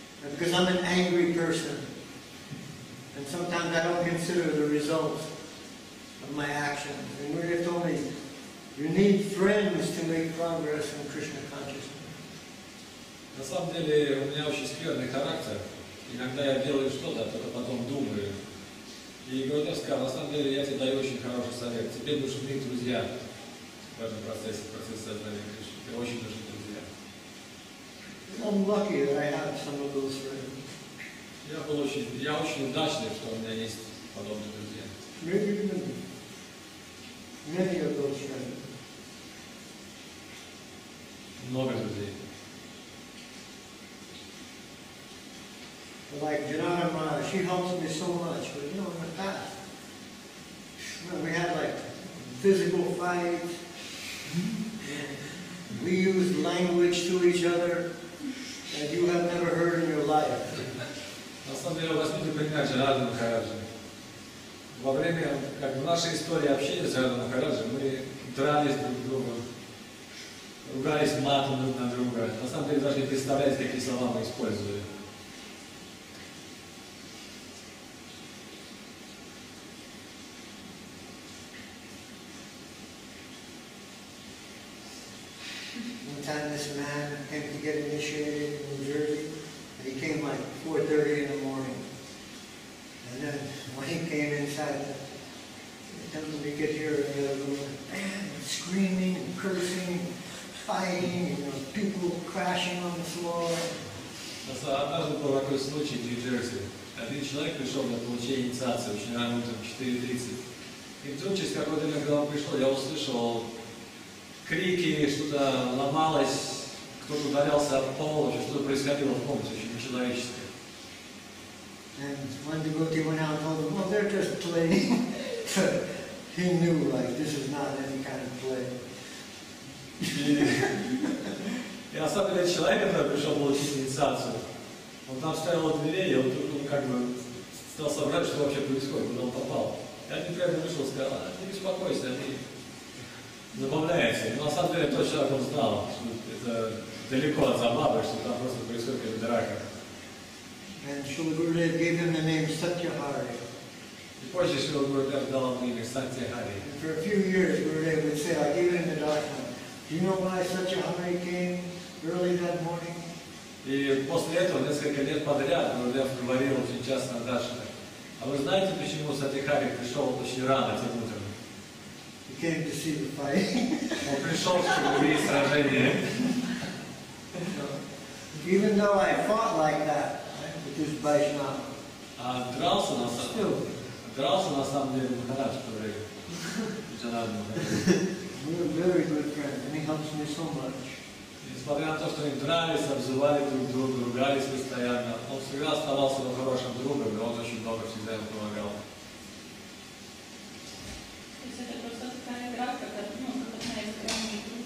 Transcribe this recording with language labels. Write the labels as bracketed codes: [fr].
[en] Because I'm an angry person, and sometimes I don't consider the results of my actions. And Gurudev told me, you need friends to make progress in Krishna consciousness. [ru] На самом деле у меня очень скверный характер. Иногда я делаю что-то, а только потом думаю. И Гурудев сказал, на самом деле я тебе даю очень хороший совет. Тебе нужны друзья в этом процессе, сознания Кришны. Тебе очень нужны друзья. [en] I'm lucky that I have some of those friends. [ru] Я очень удачный, что у меня есть подобные друзья. [en] Maybe many of those friends. [ru] Много друзей. [en] Like Janarama, she helps me so much, but you know, in the past, we had like physical fights, we used language to each other. That you have never heard in your life. [ru] На самом деле, возьмите пример Шарана Махараджа. Во время, как в нашей истории общения с Шараном Махараджем, мы дрались друг с другом, ругались матом друг на друга. На самом деле, даже не представляете, какие слова мы использовали. [en] Time this man came to get initiated in New Jersey, and he came like 4:30 in the morning. And then when he came inside, the temple, we could hear the other room, bam, screaming and cursing, fighting, you know, people crashing on the floor. [ru] Однажды был такой случай в Нью-Джерси. Один человек пришел на получение инициации очень рано утром, 4:30. И вдруг через какое-то время, когда он пришел, я услышал крики, что-то ломалось, кто-то ударялся об пол, что-то происходило в комнате, очень нечеловеческое. [en] And one devotee went out and told him, well, they're just playing. He knew, like, this is not any kind of play. [ru] И особенно человек, который пришел получить инициацию, он там стоял от дверей, и вдруг он как бы стал соображать, что вообще происходит, куда он попал. Я не прямо вышел и сказал, а не беспокойся, они забавляются. Но на самом деле тот человек он знал, что это далеко от забавы, что там просто происходит какая-то драка. [en] And Srila Gurudev gave him the name Satyahari. [ru] Позже Srila Gurudev дал ему имя Satyahari. [en] For a few years Gurudev would say, I gave him the dharma. Do you know why Satyahari came early that morning? [ru] И после этого несколько лет подряд Gurudev говорил очень часто Дашме. А вы знаете, почему Satyahari пришел очень рано этим утром? [en] He came to see the fight. [ru] Он пришел, чтобы увидеть сражение. [en] Even though I fought like that. Just Вайшнавом. [ru] Дрался на самом деле Махарадж, который Чиангмай. [en] We're very good friends, and he helps me so much. [ru] Несмотря на то, что они дрались, обзывали друг друга, ругались постоянно, он всегда оставался его хорошим другом, и он очень много всегда ему помогал. То есть это просто такая игра, как одна из